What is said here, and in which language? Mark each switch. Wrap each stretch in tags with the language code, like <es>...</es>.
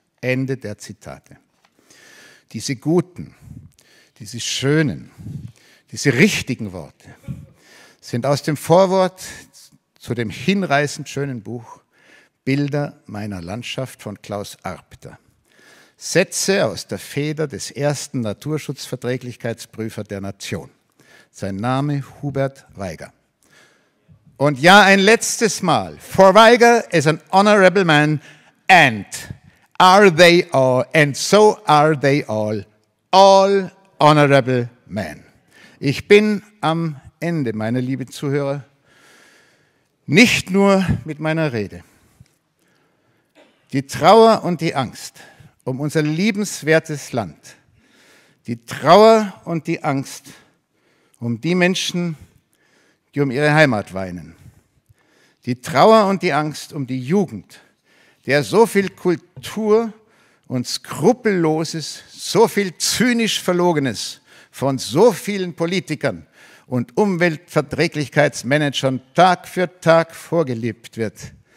<de>Ende der Zitate. Diese guten, diese schönen, diese richtigen Worte sind aus dem Vorwort zu dem hinreißend schönen Buch Bilder meiner Landschaft von Klaus Arpter. Sätze aus der Feder des ersten Naturschutzverträglichkeitsprüfer der Nation. Sein Name Hubert Weiger. Und ja, ein letztes Mal.</de> <en>For Weiger is an honorable man and are they all, and so are they all, all honorable men.</en> <de>Ich bin am Ende, meine lieben Zuhörer, nicht nur mit meiner Rede. Die Trauer und die Angst um unser liebenswertes Land, die Trauer und die Angst um die Menschen, die um ihre Heimat weinen, die Trauer und die Angst um die Jugend, der so viel Kultur und Skrupelloses, so viel zynisch Verlogenes von so vielen Politikern und Umweltverträglichkeitsmanagern Tag für Tag vorgelebt wird.</de>